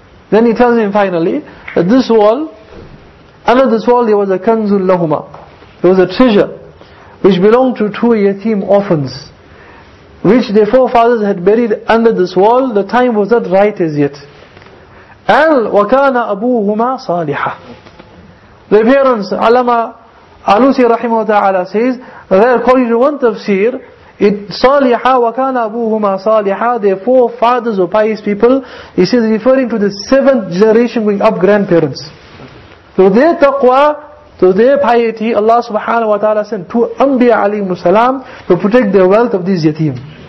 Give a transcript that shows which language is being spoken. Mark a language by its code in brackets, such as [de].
[en] Then he tells him finally that this wall, under this wall there was a kanzul lahuma. There was a treasure which belonged to two yatim orphans, which their forefathers had buried under this wall. The time was not right as yet. [ar] And وَكَانَ أَبُوهُمَا صَالِحًا. [en] The parents, Alama Alusi rahimahu ta'ala says, that according to one tafsir, it [ar] صَالِحًا وَكَانَ أَبُوهُمَا صَالِحًا. [en] Their forefathers were pious people. He says, referring to the seventh generation going up, grandparents. So their taqwa, so their piety, Allah subhanahu wa ta'ala sent two Anbiya alayhimu salam to protect the wealth of these yatim.